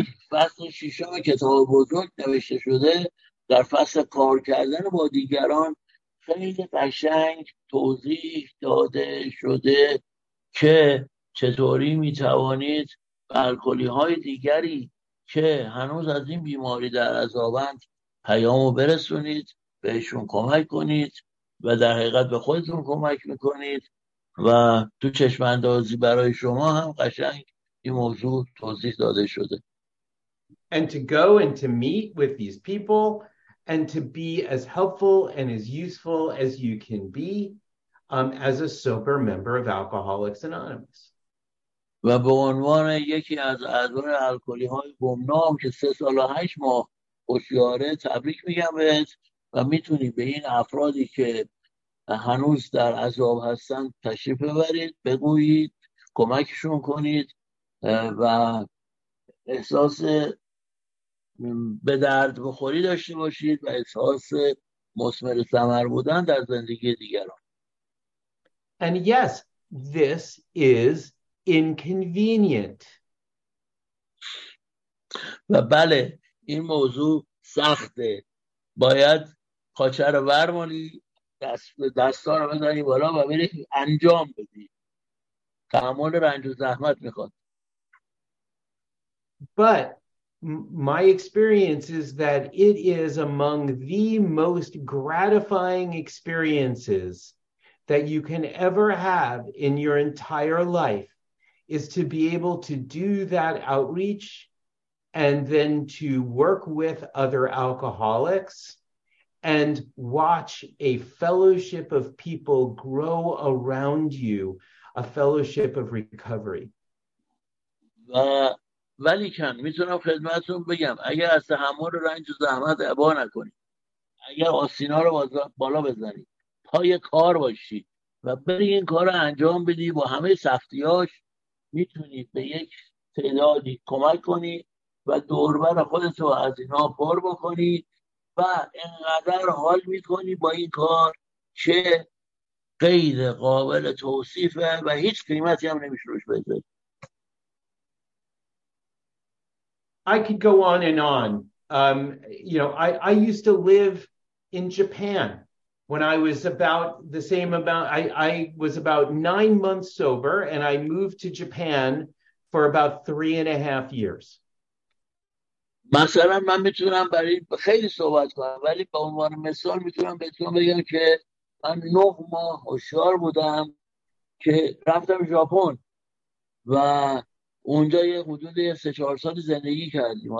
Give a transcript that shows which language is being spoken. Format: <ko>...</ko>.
<fa>فصل ششم کتاب بزرگ نوشته شده در فصل کار کردن با دیگران خیلی قشنگ توضیح داده شده که چطوری می توانید الکلی های دیگری که هنوز از این بیماری در عذابند پیامو برسونید، بهشون کمک کنید و در حقیقت به خودتون کمک میکنید و تو چشم اندازی برای شما هم قشنگ این موضوع توضیح داده شده.</fa> <en>And to go and to meet with these people and to be as helpful and as useful as you can be as a sober member of Alcoholics Anonymous.</en> <fa>و به عنوان یکی از اعضای الکلی های گمنام که 3 سال و 8 ماه هوشیاره، تبریک میگم بهت و میتونی به این افرادی که هنوز در عذاب هستن تشریف ببرید، بگویید، کمکشون کنید و احساس به درد بخوری داشته باشید و احساس مثمر ثمر بودن در زندگی دیگران.</fa> <en>And yes, this is inconvenient.</en> <fa>و بله، این موضوع سخته. باید کاچه رو برمالی، دستا رو بزنی بالا و بری انجام بدی. تحمل رنج و زحمت میخواد.</fa> <en>But my experience is that it is among the most gratifying experiences that you can ever have in your entire life is to be able to do that outreach and then to work with other alcoholics and watch a fellowship of people grow around you, a fellowship of recovery.</en> <fa>ولیکن میتونم خدمتتون بگم اگر از تحمل رنج و زحمت ابا نکنید، اگر آستینا رو بالا بزنید، پای کار باشید و برید این کار رو انجام بدید با همه سختیاش، میتونید به یک تعدادی کمک کنید و دوربر خودت رو از اینا پر بکنید و انقدر حال میکنید با این کار که غیر قابل توصیفه و هیچ قیمتی هم نمیشه روش بذارید.</fa> <en>I could go on and on. I used to live in Japan when I was about the same amount. I was about 9 months sober, and I moved to Japan for about 3.5 years.</en> <fa>مثلا من میتونم برای خیلی صحبت کنم، ولی به عنوان مثال میتونم بهتون بگم که من 9 ماه هوشیار بودم که رفتم ژاپن و اونجا یه حدود 3-4 سال زندگی کردیم.</fa>